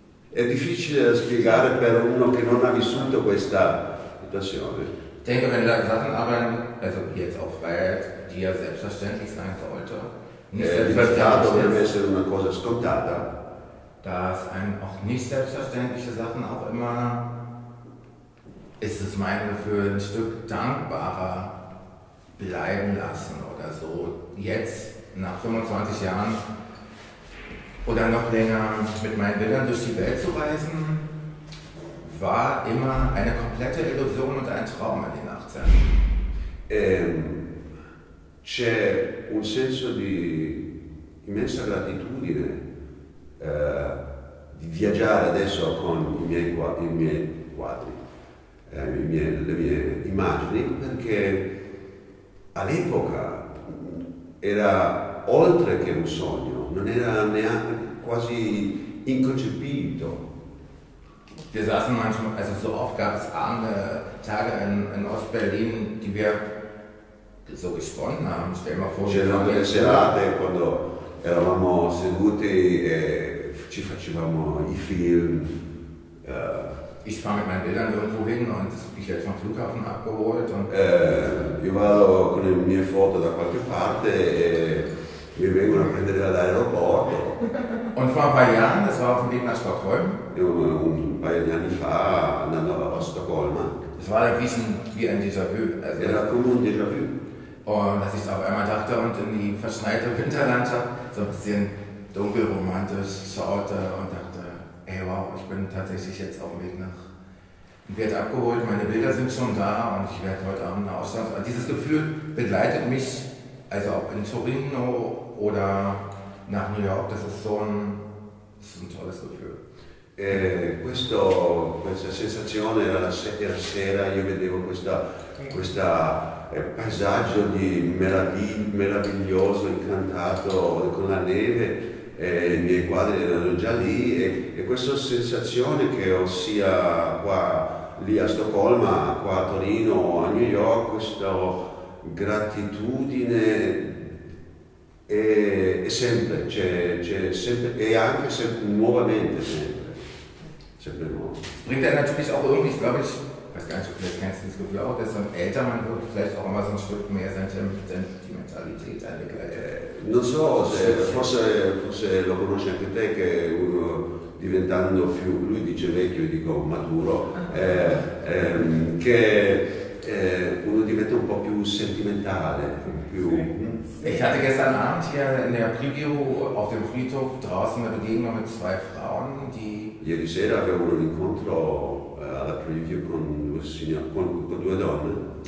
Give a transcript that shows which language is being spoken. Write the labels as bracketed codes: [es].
[it] È difficile da spiegare per uno che non ha vissuto questa situazione. [de] Denke, wenn da Sachen arbeiten, also jetzt auch Freiheit, die ja selbstverständlich sein sollte, [it] Libertà dovrebbe essere una cosa scontata. [de] Dass ein auch nicht selbstverständliche Sachen auch immer, ist es mein Gefühl, ein Stück dankbarer bleiben lassen oder so. Jetzt, nach 25 Jahren oder noch länger mit meinen Bildern durch die Welt zu reisen, war immer eine komplette Illusion und ein Traum in den 18. [it] C'è un senso di immensa gratitudine. Di viaggiare adesso con i miei quadri, le mie immagini, perché all'epoca era oltre che un sogno, non era neanche quasi inconcepito. [de] Wir saßen manchmal, also so oft gab es Abende, Tage in Ost-Berlin, die wir so gesponnen haben, stell mal vor. [it] C'erano delle serate quando eravamo seduti e ci facevamo i film. [de] Ich fahre mit meinen Bildern irgendwo hin und ich werde vom Flughafen abgeholt. [it] Io vado con le mie foto da qualche parte e mi vengono a prendere all'aeroporto. [de] Und vor ein paar Jahren, das war auf dem Weg nach Stockholm. [it] Un paio di anni fa andando a Stoccolma. [de] Das war wie ein Déjà-vu. [it] Also era come un Déjà-vu. [de] Und als ich auf einmal dachte und in die verschneite Winterlandschaft so ein bisschen dunkelromantisch schaute und dachte, ey wow, ich bin tatsächlich jetzt auf dem Weg nach, ich werde abgeholt, meine Bilder sind schon da und ich werde heute Abend nach Ausland. Und dieses Gefühl begleitet mich, also ob in Torino oder nach New York, das ist ein tolles Gefühl. [it] Questa sensazione era la sera, io vedevo questa paesaggio di meraviglioso, incantato con la neve, i miei quadri erano già lì e questa sensazione che ho sia qua lì a Stoccolma, qua a Torino, a New York, questa gratitudine è sempre, c'è sempre e anche sempre, nuovamente sempre nuovo. [de] Bringt er natürlich auch irgendwie, glaube ich. Ich weiß gar nicht, vielleicht kennst du das Gefühl auch, dass so ein älter Mann wird, vielleicht auch immer so ein Stück mehr Sentimentalität angegleitet. [it] Non so, forse lo conosci anche te, che uno diventando più, lui dice vecchio, io dico maturo, che uno diventa un po' più sentimentale. [de] Ich hatte gestern Abend hier in der Preview auf dem Friedhof draußen eine Begegnung mit zwei Frauen, die... [it] Ieri sera avevo un incontro alla preview con due donne.